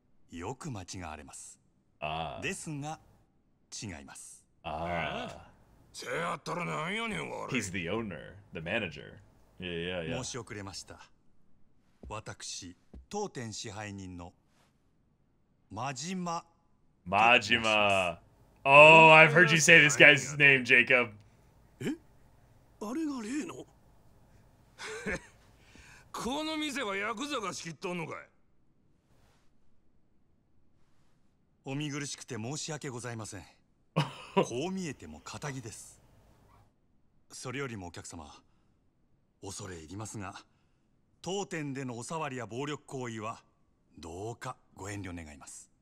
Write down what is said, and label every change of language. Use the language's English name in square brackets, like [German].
[Japanese] よく間違われます。ですが違います。せやったら何やねん悪い。 [English] He's the owner, the manager. Yeah. [Japanese] 申し遅れました。私、当店支配人のマジマ。マジマ。 [English] Oh, I've heard you say this guy's name, Jacob. [Japanese] え？あれが例の？この店はヤクザが仕切っとんのかい？お見苦しくて申し訳ございません。こう見えても堅気です。それよりもお客様、恐れ入りますが、当店でのお触りや暴力行為はどうかご遠慮願います。